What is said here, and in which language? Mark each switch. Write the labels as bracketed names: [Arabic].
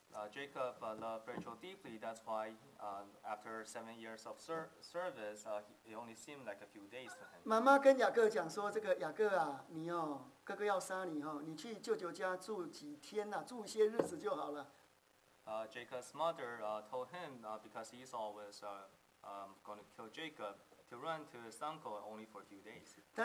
[English] Jacob loved Rachel deeply, that's why after 7 years of service, it only seemed like a few days to him. [Chinese] 妈妈跟雅各讲说，这个雅各啊，你哦，哥哥要杀你哦，你去舅舅家住几天啊，住一些日子就好了。 [English] Jacob's mother told him because he saw was going to kill Jacob to run to his uncle only for a few days.